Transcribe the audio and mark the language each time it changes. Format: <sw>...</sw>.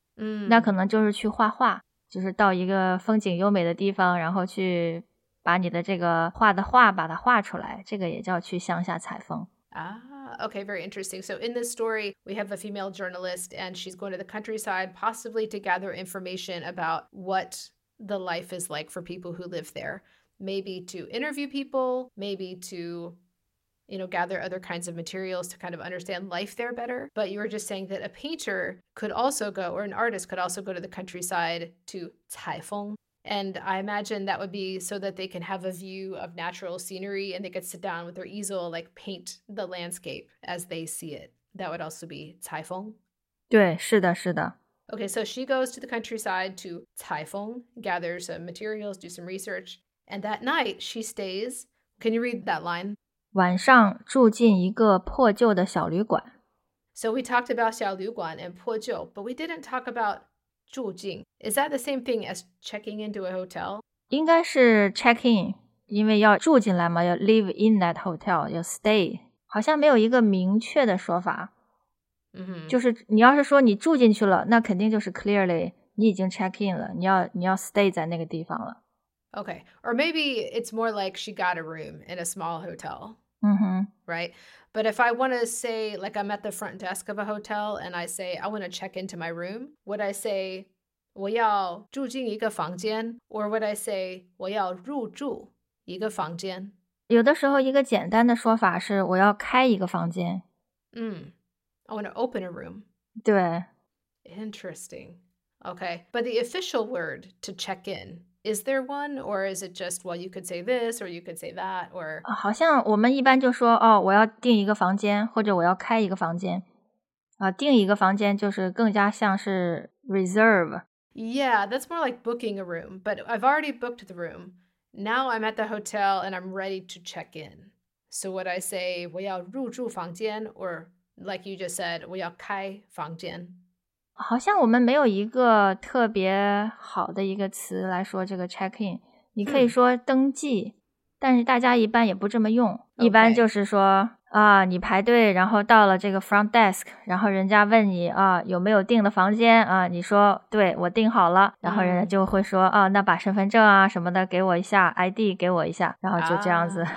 <zh>嗯，那可能就是去画画，就是到一个风景优美的地方，然后去把你的这个画的画把它画出来，这个也叫去乡下采风。</zh> <en>Okay, very interesting. So in this story, we have a female journalist and she's going to the countryside possibly to gather information about what the life is like for people who live there. Maybe to interview people, maybe to... you know, gather other kinds of materials to kind of understand life there better. But you were just saying that a painter could also go, or an artist could also go to the countryside to 采风. And I imagine that would be so that they can have a view of natural scenery and they could sit down with their easel, like paint the landscape as they see it. That would also be 采风.</en> <zh>对，是的，是的。</zh> <en>Okay, so she goes to the countryside to 采风, gather some materials, do some research. And that night, she stays. Can you read that line?</en> <zh>晚上住进一个破旧的小旅馆。</zh> <en>So we talked about 小旅馆 and 破旧, but we didn't talk about 住进. Is that the same thing as checking into a hotel?</en> <zh>应该是 check in, 因为要住进来嘛，要</zh> <en>live in that hotel,</en> <zh>要 stay. 好像没有一个明确的说法。 Mm-hmm. 就是你要是说你住进去了，那肯定就是 clearly 你已经 check in 了，你要 stay 在那个地方了。</zh> <en>Okay, or maybe it's more like she got a room in a small hotel, mm-hmm. right? But if I want to say, like I'm at the front desk of a hotel and I say, I want to check into my room, would I say,</en> <zh>我要住进一个房间?</zh> <en>Or would I say,</en> <zh>我要入住一个房间? 有的时候一个简单的说法是我要开一个房间。</zh> <en>I want to open a room.</en> <zh>对。</zh> <en>Interesting. Okay, but the official word to check in,Is there one, or is it just, well, you could say this, or you could say that, or...</en> <zh>好像我们一般就说,哦,我要订一个房间,或者我要开一个房间。订一个房间就是更加像是 reserve.</zh> <en>Yeah, that's more like booking a room, but I've already booked the room. Now I'm at the hotel and I'm ready to check in. So would I say,</en> <zh>我要入住房间,</zh> <en>or like you just said,</en> <zh>我要开房间。好像我们没有一个特别好的一个词来说这个 check in. 你可以说登记、但是大家一般也不这么用。</zh> <en>Okay.</en> <zh>一般就是说啊你排队然后到了这个 front desk, 然后人家问你啊有没有订的房间啊你说对我订好了然后人家就会说、啊那把身份证啊什么的给我一下 ,ID 给我一下然后就这样子。</zh>